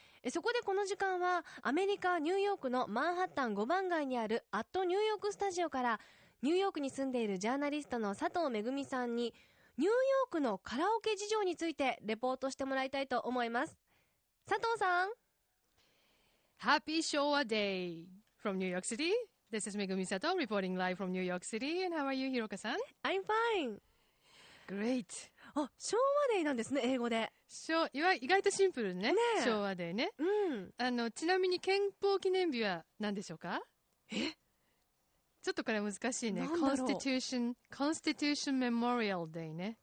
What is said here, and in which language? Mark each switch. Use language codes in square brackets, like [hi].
[ja] そこでこの時間はアメリカニューヨークのマンハッタン5番街にあるアットニューヨークスタジオから、ニューヨークに住んでいるジャーナリストの佐藤恵さんにニューヨークのカラオケ事情についてレポートしてもらいたいと思います。佐藤さん、ハッピー昭和デイ [en] from New York City. This is Megumi Sato reporting live from New York City. And how are you, Hiroka-san? I'm fine. Great. [ja] あ、昭和デイなんですね、英語で。意外とシンプル ね。昭和デイね。うん。ちなみに憲法記念日は何でしょうか？え？ちょっとこれ難しいね。Constitution Memorial Day ね。